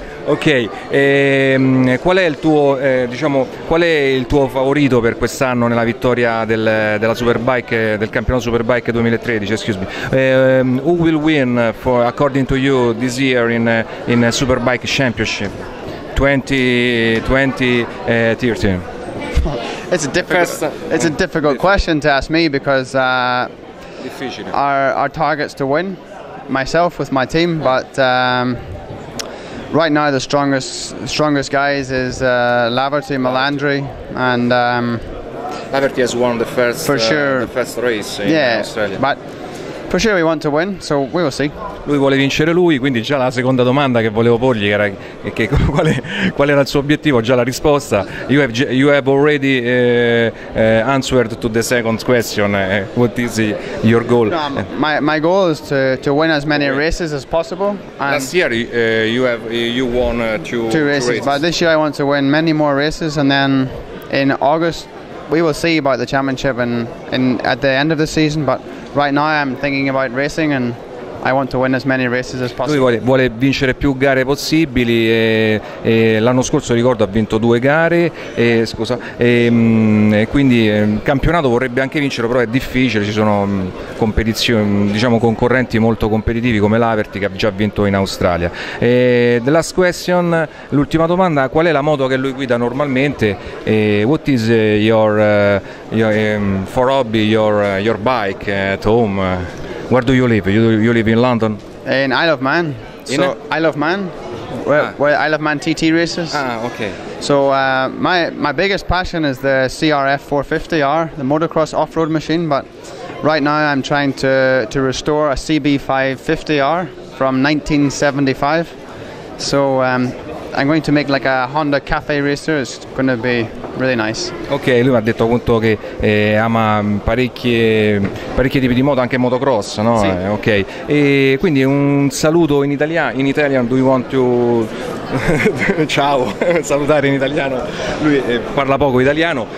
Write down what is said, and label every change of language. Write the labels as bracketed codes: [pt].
[it] Ok, qual è il tuo, diciamo, qual è il tuo favorito per quest'anno nella vittoria della Superbike, del campionato Superbike 2013? [en] Excuse me. Who will win for according to you this year in Superbike Championship 2013? It's a difficult question to ask me because our target's to win, myself with my team, but. Right now, the strongest guys is Laverty, Melandri, and Laverty has won the first for sure. The first race in Australia. But for sure, we want to win, so we will see. [it] Lui vuole vincere lui, quindi già la seconda domanda che volevo porgli era che qual era il suo obiettivo, già la risposta. [en] You have already answered to the second question. What is your goal? No, my goal is to win as many races as possible. And last year you won two races. But this year I want to win many more races, and then in August we will see about the championship and at the end of the season. But right now I'm thinking about racing and I want to win as many races as possible. [it] Lui vuole vincere più gare possibili e l'anno scorso ricordo ha vinto due gare e quindi campionato vorrebbe anche vincere, però è difficile, ci sono competizioni, diciamo concorrenti molto competitivi come Laverty che ha già vinto in Australia. [en] The last question, [it] l'ultima domanda, qual è la moto che lui guida normalmente? [en] What is your bike at home? Where do you live? You live in London? In Isle of Man. Isle of Man. Where Isle of Man TT races. Ah, okay. So my biggest passion is the CRF 450R, the motocross off-road machine, but right now I'm trying to restore a CB550R from 1975. So I'm going to make like a Honda Cafe racer. It's going to be really nice. [it] Ok, lui mi ha detto appunto che ama parecchi tipi di moto, anche motocross, no? Sì. Ok. E quindi un saluto in italiano. [en] In Italian, do you want to [it] ciao, salutare in italiano. Lui parla poco italiano.